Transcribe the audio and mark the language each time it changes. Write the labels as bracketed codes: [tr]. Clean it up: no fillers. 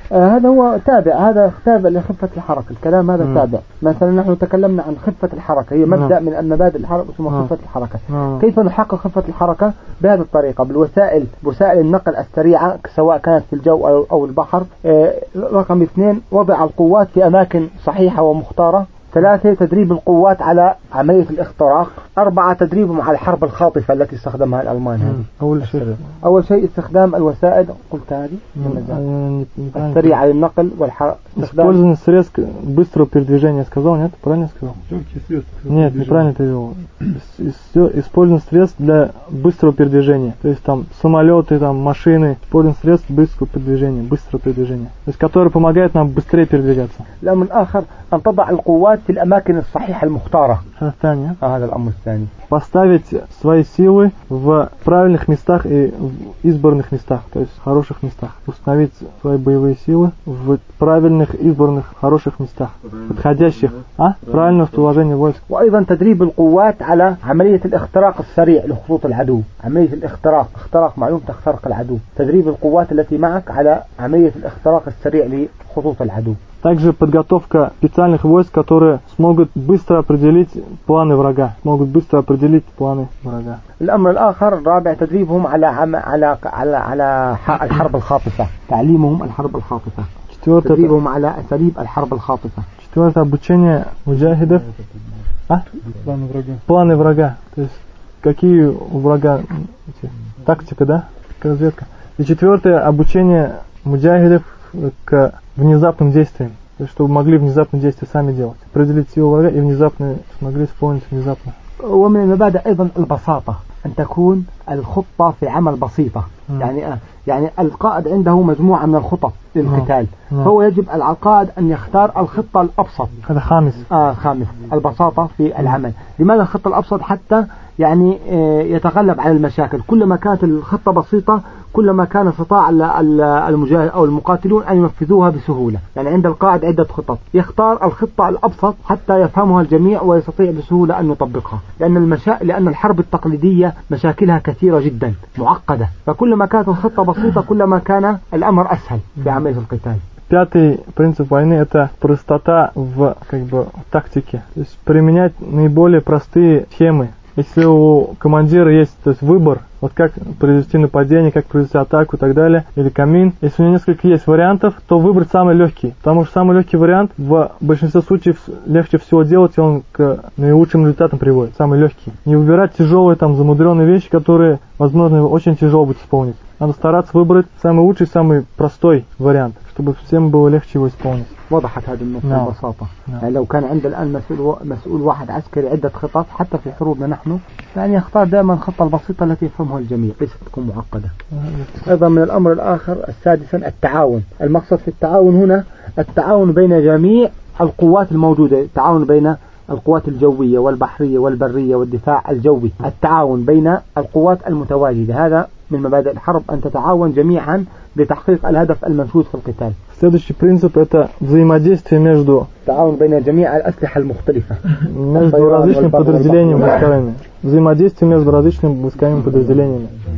[ar] هذا هو تابع هذا تابع لخفة الحركة الكلام هذا تابع مثلا نحن تكلمنا عن خفة الحركة هي مبدأ من مبادئ الحركة ثم خفة الحركة كيف نحقق خفة الحركة بهذه الطريقة بوسائل النقل السريعة سواء كانت في الجو أو البحر رقم اثنين وضع القوات في أماكن صحيحة ومختارة ثلاثة تدريب القوات على عملية الاختراق أربعة تدريبهم على الحرب الخاطفة التي استخدمها الألمان هذه أول شيء استخدام الوسائل قلت هذه السريعة للنقل والحرب استخدام [ru] سريسك быстро передвижение сказал нет правильно сказал нет неправильно ты его использование средств для быстрого передвижения то есть там самолеты там машины использование средств быстрого передвижения то есть которые помогают нам быстрее передвигаться [ar] لا من آخر أن تضع القوات في الأماكن الصحيحة المختارة هذا الثاني هذا الأمر الثاني [ru] поставить свои силы в правильных местах и в избранных местах то есть в хороших местах установить свои боевые силы в правильных избранных хороших местах подходящих а правильное расположение войск [ar] وأيضا تدريب القوات على عملية الاختراق السريع لخطوط العدو عملية الاختراق اختراق معلوم تخترق العدو تدريب القوات التي معك على عملية الاختراق السريع لخطوط العدو [ru] Также подготовка специальных войск, которые смогут быстро определить планы врага. Могут быстро определить планы врага. [ar] الأمر الآخر الرابع تدريبهم على على على على الحرب الخاطفة. تعليمهم الحرب الخاطفة. [ru] Четвёртое. [ar] تدريبهم على أساليب الحرب الخاطفة. [ru] Четвёртое обучение муджахидов. Планы врага. Планы врага. То есть какие у врага тактика, да? Разведка. И четвёртое обучение муджахидов к внезапным действиям, то есть чтобы могли внезапные действия сами делать, определить силу врага и внезапно смогли исполнить внезапно. [ar] ومن المبادئ أيضا البساطة أن تكون الخطة في عمل بسيطة يعني القائد عنده مجموعة من الخطط للقتال هو يجب على القائد أن يختار الخطة الأبسط هذا خامس خامس البساطة في العمل لماذا الخطة الأبسط حتى يعني يتغلب على المشاكل كلما كانت الخطة بسيطة كلما كان استطاع المجاهد أو المقاتلون أن ينفذوها بسهولة يعني عند القائد عدة خطط يختار الخطة الأبسط حتى يفهمها الجميع ويستطيع بسهولة أن يطبقها لأن الحرب التقليدية مشاكلها كثيرة جدا معقدة فكلما كانت الخطة بسيطة كلما كان الأمر أسهل بعملية القتال [ru] Пятый принцип войны – это простота в, как бы, в тактике. То есть применять наиболее простые схемы. если у командира есть, то есть выбор, вот как произвести нападение, как произвести атаку и так далее, или камин, если у него несколько есть вариантов, то выбрать самый легкий, потому что самый легкий вариант в большинстве случаев легче всего делать, и он к наилучшим результатам приводит, самый легкий. Не выбирать тяжелые там замудренные вещи, которые, возможно, очень тяжело будет исполнить. Надо стараться выбрать самый лучший, самый простой вариант, чтобы всем было легче его исполнить. [ar] وضحت هذه النقطة ببساطة. يعني لو كان عند الآن مسؤول واحد عسكري عدة خطط حتى في حروبنا نحن، يعني يختار دائما الخطة البسيطة التي يفهمها الجميع، ليست تكون معقدة. أيضا من الأمر الآخر السادس التعاون. المقصد في التعاون هنا التعاون بين جميع القوات الموجودة، التعاون بين القوات الجوية والبحرية والبرية والدفاع الجوي، التعاون بين القوات المتواجدة. هذا من مبادئ الحرب، أن تتعاون جميعا لتحقيق الهدف المنشود في القتال. [ru] Следующий принцип – это взаимодействие между различными подразделениями. Взаимодействие между различными войсковыми подразделениями.